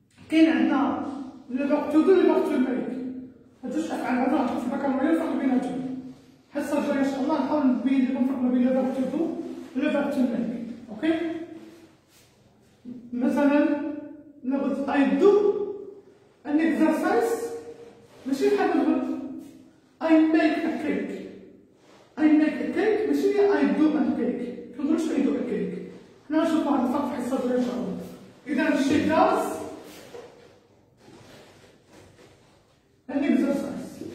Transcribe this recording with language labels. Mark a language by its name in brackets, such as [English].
[Arabic] كاين عندنا لي فيرب تو دو لي فيرب تو ميك، هاد جوج افعال هادو غنحطو في البكالوريا الفرق بيناتهم. الحصة الجاية ان شاء الله نحاول نبين لكم الفرق ما بين لي فيرب تو دو ولي فيرب تو ميك. اوكي، مثلا نقول [English] I do an exercise، [Arabic] ماشي بحال نقول [English] I make a cake. I make a cake [Arabic] ماشي هي [English] I do a cake، [Arabic] كنقولوش [English] I do a cake. [Arabic] حنا نشوفو واحد الفرق في الحصة الجاية ان شاء الله. [English] إذا she does an exercise.